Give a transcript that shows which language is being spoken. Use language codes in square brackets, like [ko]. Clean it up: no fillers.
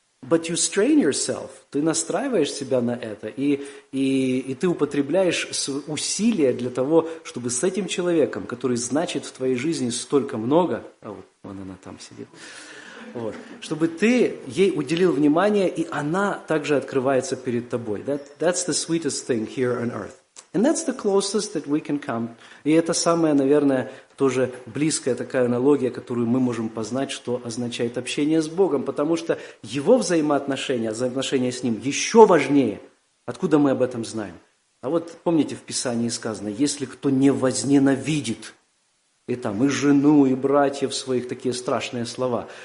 [en] But you strain yourself, [ru] ты настраиваешь себя на это, и ты употребляешь усилия для того, чтобы с этим человеком, который значит в твоей жизни столько много, а вот вон она там сидит, вот, чтобы ты ей уделил внимание, и она также открывается перед тобой. [en] That's the sweetest thing here on earth. And that's the closest that we can come. [ru] И это самая, наверное, тоже близкая такая аналогия, которую мы можем познать, что означает общение с Богом. Потому что его взаимоотношения с Ним еще важнее Откуда мы об этом знаем? А вот помните, в Писании сказано, если кто не возненавидит, и там и жену, и братьев своих, такие страшные слова.